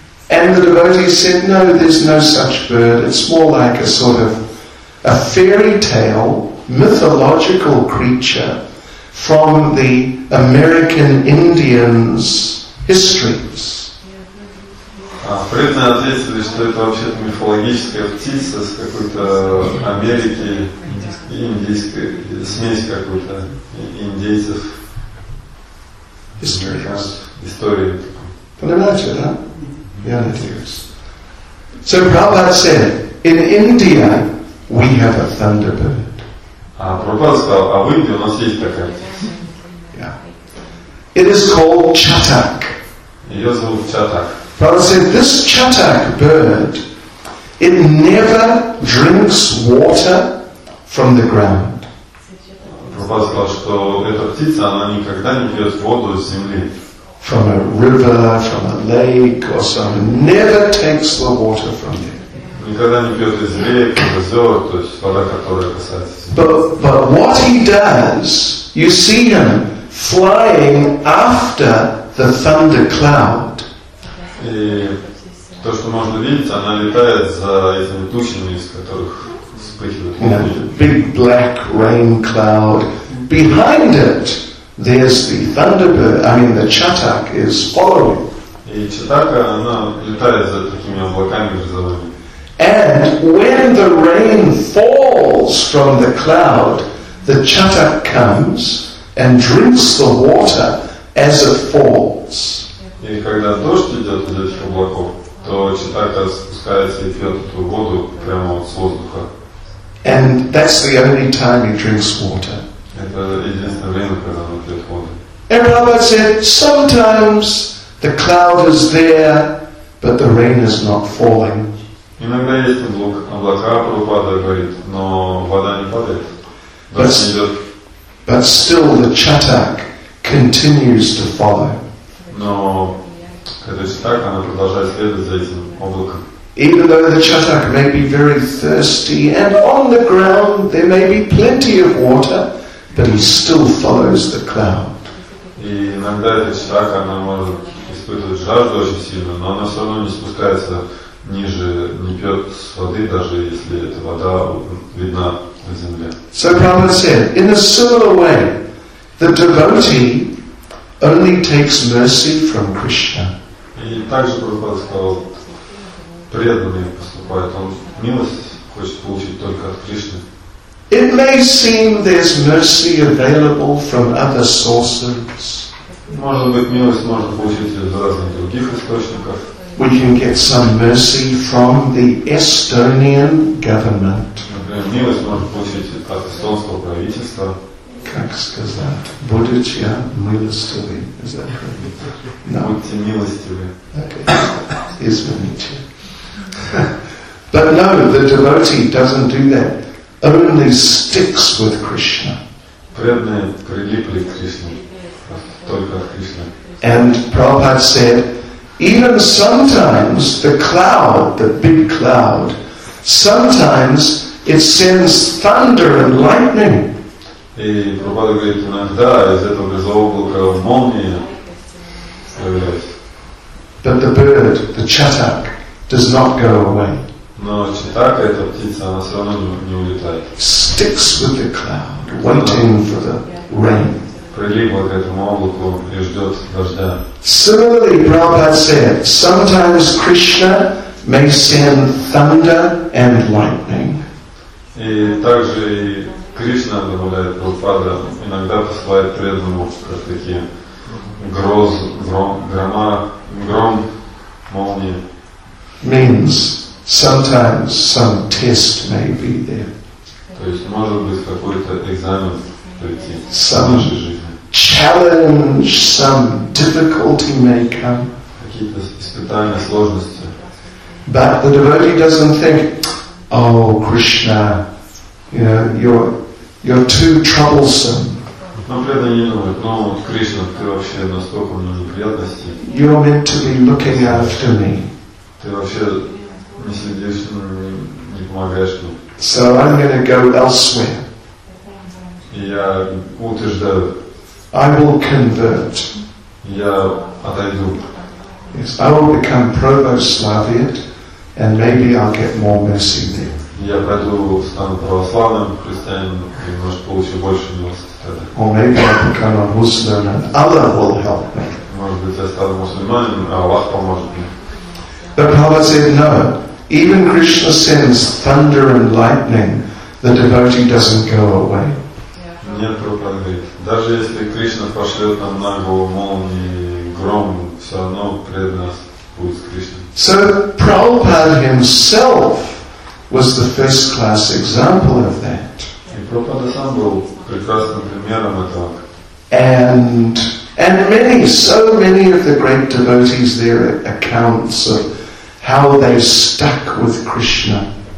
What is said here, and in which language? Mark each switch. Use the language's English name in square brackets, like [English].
[English] And the devotee said, "No, there's no such bird. It's more like a sort of a fairy tale, mythological creature from the American Indians' histories." [Russian] Преданные ответили, что это вообще мифологическая птица с какой-то Америки, индийской, смесь какой-то индейцев. Истории. [English] Can imagine that? Yeah, it is. So Prabhupada said, "In India, we have a thunderbird." [Russian] А Прабхупада сказал, а в Индии у нас есть такая птица. [English] It is called Chatak. Prabhupada said, this Chatak bird, it never drinks water from the ground. [Russian] Prabhupada сказал, что эта птица, она никогда не пьет воду из земли. [English] From a river, from a lake or something, never takes the water from there. [Russian] Никогда не пьет из рек, из озер, то есть вода, которая касается земли. [English] But what he does, you see him flying after the thunder cloud. [Russian] И то, что можно видеть, она летает за этими тучами, из которых вспыхивает молния. [English] Big black rain cloud. Behind it, there's the thunderbird. I mean, the Chatak is following. [Russian] И Чатака, она летает за такими облаками грозовыми. [English] And when the rain falls from the cloud, the Chatak comes and drinks the water as it falls. [Russian] И когда дождь идет из этих облаков, то читака спускается и пьет эту воду прямо с воздуха. [English] And that's the only time he drinks water. [Russian] Это единственное время, когда он пьет воду. [English] And Prabhupada said, sometimes the cloud is there, but the rain is not falling. [Russian] Иногда есть облака, Прабхупада говорит, но вода не падает. [English] But still the Chatak continues to follow. [Russian] Но когда Chatak, она продолжает следовать за этим облаком. [English] Even though the Chatak may be very thirsty and on the ground there may be plenty of water, but he still follows the cloud. [Russian] И иногда эта Chatak, она может испытывать жажду очень сильно, но она все равно не спускается ниже, не пьет с воды, даже если эта вода видна. [English] So Prabhupada said, in a similar way, the devotee only takes mercy from Krishna. [Russian] И также Прабхупада сказал, преданный поступает, он милость хочет получить только от Кришны. [English] It may seem there's mercy available from other sources. [Russian] Может быть, милость можно получить из разных других источников. [English] we can get some mercy from the Estonian government. [Russian] Как сказать? Будучи милостивы. [English] Is that no. [Russian] Будьте милостивы. [English] Okay. [Russian] Извините. [English] But no, the devotee doesn't do that. Only sticks with Krishna. [Russian] Преданные прилипли к Кришне. Только к Кришне. [English] And Prabhupada said, even sometimes the cloud, the big cloud, sometimes it sends thunder and lightning. [Russian] И Прабхупада говорит, иногда из этого безоблака молния появляется. [English] But the bird, the chatak, does not go away. [Russian] Но читака, эта птица, она все равно не улетает. [English] Sticks with the cloud, waiting for the rain. [Russian] Прилипла к этому облаку и ждет дождя. [English] Similarly, Prabhupada said, sometimes Krishna may send thunder and lightning. [Russian] И также и Кришна, добавляет Прабхупада, иногда посылает преданному как такие гром, молнии. [English] Means sometimes some test may be there. [Russian] То есть может быть какой-то экзамен прийти. [English] Some challenge, some difficulty may come. [Russian] Какие-то испытания, сложности. [English] But the devotee doesn't think, oh Krishna, you know, you're too troublesome. [Russian] Но преданный не думает, ну вот Кришна, ты вообще настолько на неприятности. [English] You're meant to be looking after me. [Russian] Ты вообще не следишь, не помогаешь мне. [English] So I'm gonna go elsewhere. [Russian] И я утверждаю. [English] I will convert. [Russian] Я отойду. [English] Yes, I will become Proboslaviate and maybe I'll get more mercy there. [Russian] Я пойду, стану православным христианином и, может, получу больше милости. [English] Or maybe I'll become a Muslim and Allah will help me. [Russian] Может быть, я стану мусульманином, а Аллах поможет мне. [English] But Prabhupada said, no. Even Krishna sends thunder and lightning, the devotee doesn't go away. [Russian] Нет, Прабхупада говорит, даже если Кришна пошлет нам на голову молнии, гром, все равно пред нас будет Кришна. [English] So Prabhupada himself was the first class example of that. [Russian] И Прабхупада сам был прекрасным примером этого. [English] And many, so many of the great devotees, their accounts of how they stuck with Krishna.